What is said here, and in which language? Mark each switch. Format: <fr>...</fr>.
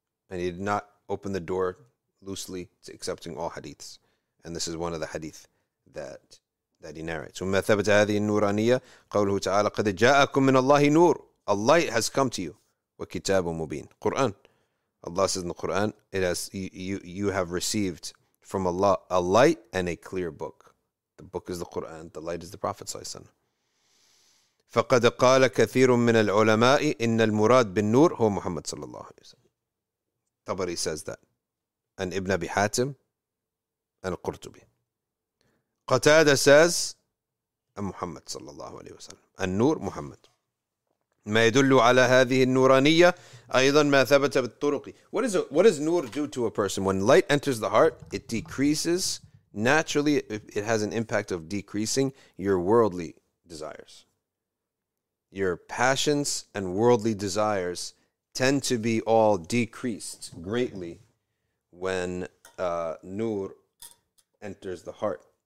<en>And he did not open the door loosely to accepting all hadiths. And this is one of the hadith that he narrates.</en> <ar>وما ثبت هذه النورانية قوله تعالى قد جاءكم من الله نور.</ar> <en>A light has come to you.</en> <ar>وكتاب مبين.</ar> <en>Quran. Allah says in the Quran, you have received from Allah a light and a clear book. The book is the Quran. The light is the Prophet صلى الله عليه وسلم.</en> <ar>فقد قال كثير من العلماء إن المراد بالنور هو محمد صلى الله عليه وسلم.</ar> <en>Tabari says that. And Ibn Abi Hatim and Qurtubi. Qatada says, Muhammad صلى الله عليه وسلم.</en> <ar>النور محمد. ما يدل على هذه النورانية أيضا ما ثبت بالطرق.</ar> <en>What does nur do to a person? When light enters the heart, it decreases. Naturally, it has an impact of decreasing your worldly desires. Your passions and worldly desires tend to be all decreased greatly when nur enters the heart.</en>